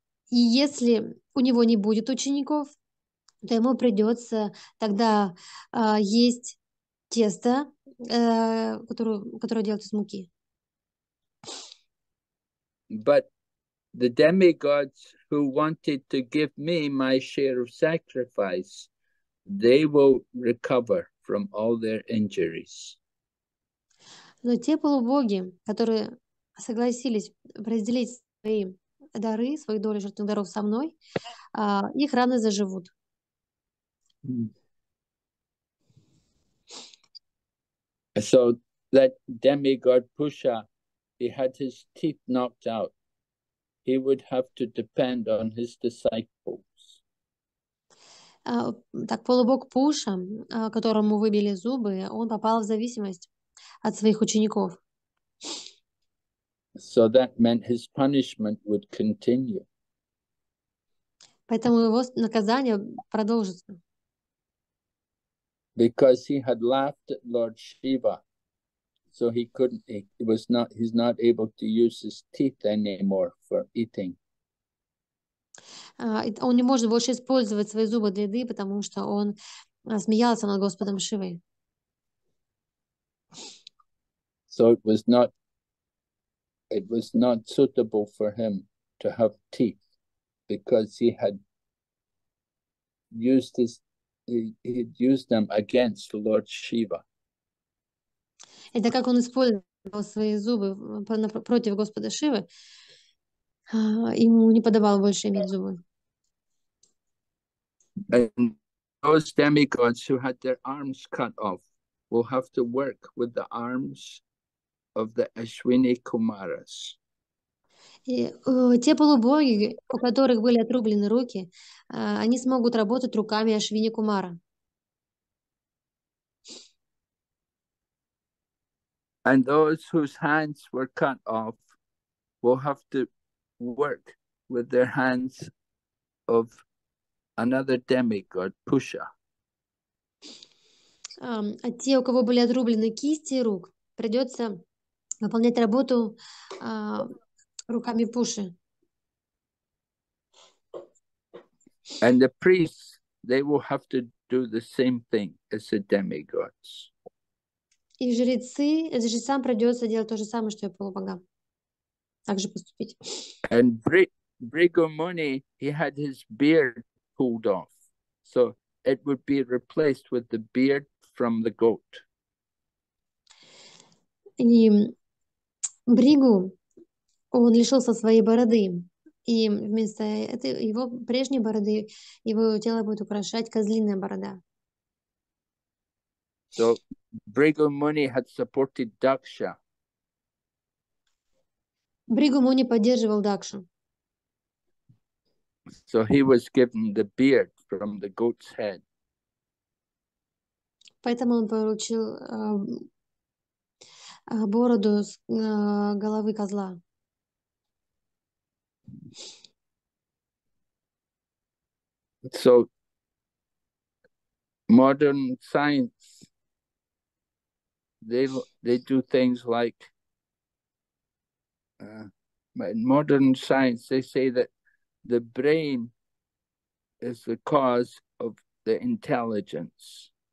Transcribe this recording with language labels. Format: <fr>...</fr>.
<ru>И если у него не будет учеников, то ему придется тогда есть тесто, которое делается из муки.</ru> <en>But the demigods who wanted to give me my share of sacrifice, they will recover from all their injuries.</en> <ru>Но те полубоги, которые согласились разделить свои дары, свои доли жертвенных даров со мной, их раны заживут.</ru> <en>So that demigod Pusha, he had his teeth knocked out. He would have to depend on his disciples.</en> <ru>Так, полубог Пуша, которому выбили зубы, он попал в зависимость от своих учеников.</ru> <en>So that meant his punishment would continue.</en> <ru>Поэтому его наказание продолжится.</ru> <en>Because he had laughed at Lord Shiva, so he couldn't, he was not, he's not able to use his teeth anymore for eating.</en> <ru>Он не может больше использовать свои зубы для еды, потому что он смеялся над Господом Шивой.</ru> <en>So it was not suitable for him to have teeth, because he had used his, he had used them against Lord Shiva.</en> <ru>Это как он использовал свои зубы против Господа Шивы. Ему не подобало больше иметь зубы.</ru> <en>And those demigods who had their arms cut off will have to work with the arms of the Ashwini Kumaras.</en> <ru>И те полубоги, у которых были отрублены руки, они смогут работать руками Ашвини Кумара.</ru> <en>And those whose hands were cut off will have to work with their hands of another demigod, Pusha.</en> <ru>А те, у кого были отрублены кисти и рук, придется выполнять работу руками Пуши.</ru> <en>And the priests, they will have to do the same thing as the demigods.</en> <ru>И жрецам придется делать то же самое, что и полубогам. Так же поступить.</ru> <en>And Bhrigu Muni, he had his beard pulled off, so it would be replaced with the beard from the goat.</en> <ru>И Бригу, он лишился своей бороды, и вместо этой его прежней бороды его тело будет украшать козлиная борода.</ru> <en>So Bhrigu Muni had supported Daksha.</en> <ru>Бригу Муни поддерживал Дакшу.</ru> <en>So he was given the beard from the goat's head.</en> <ru>Поэтому он получил бороду с головы козла.</ru> <en>So modern science, they do things like in modern science they say that the brain is the cause of the intelligence.</en>